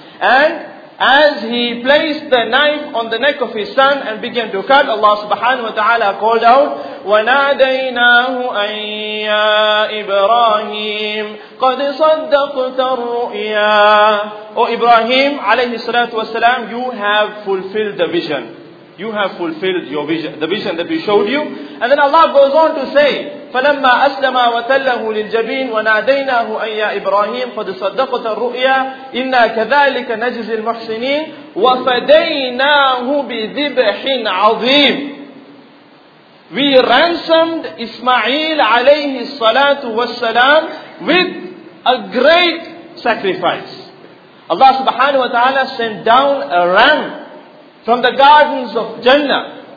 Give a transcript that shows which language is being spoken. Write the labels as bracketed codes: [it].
[en] And as he placed the knife on the neck of his son and began to cut, Allah subhanahu wa ta'ala called out, [ar] وَنَادَيْنَاهُ أَنْ يَا إِبْرَاهِيمُ قَدْ صَدَّقْتَ الرُّؤْيَا. [en] O Ibrahim alayhi salatu wasalam, you have fulfilled the vision. You have fulfilled your vision, the vision that we showed you. And then Allah goes on to say, [ar] فَلَمَّا أَسْلَمَا وَتَلَّهُ لِلْجَبِينَ وَنَادَيْنَاهُ أَنْ يَا إِبْرَاهِيمُ قَدْ صَدَّقْتَ الرُّؤْيَا إِنَّا كَذَلِكَ نَجْزِي الْمُحْسِنِينَ وَفَدَيْنَاهُ بِذِبْحٍ عَظِيمٍ. [en] We ransomed Ismail alayhi salatu wasalam with a great sacrifice. Allah subhanahu wa ta'ala sent down a ram from the gardens of Jannah.